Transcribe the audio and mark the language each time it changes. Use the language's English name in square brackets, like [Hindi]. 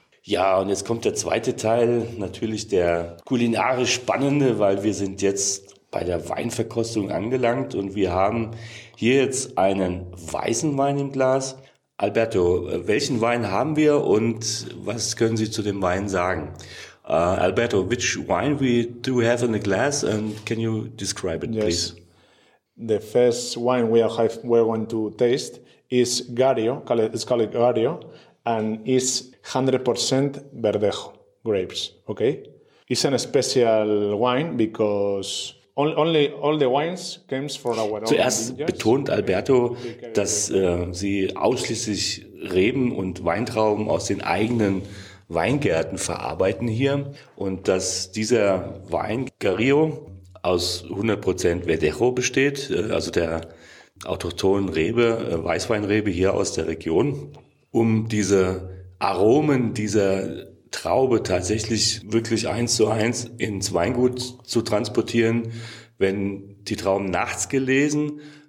[German] Ja, und jetzt kommt der zweite Teil, natürlich der kulinarisch spannende, weil wir sind jetzt bei der Weinverkostung angelangt und wir haben hier jetzt einen weißen Wein im Glas. Alberto, welchen Wein haben wir und was können Sie zu dem Wein sagen? [English] Alberto, which wine we do have in the glass and can you describe it, yes, please? The first wine we're going to taste is Gario, it's called Gario, and it's 100% Verdejo grapes, okay? It's a special wine because only all the wines came from our own. [German] Zuerst betont Alberto, dass sie ausschließlich Reben und Weintrauben aus den eigenen Weingärten verarbeiten hier. Und dass dieser Wein Garrido aus 100% Verdejo besteht, also der autochthonen Rebe, Weißweinrebe hier aus der Region, um diese Aromen dieser Traube tatsächlich wirklich eins zu eins ins Weingut zu transportieren, wenn die Trauben nachts gelesen.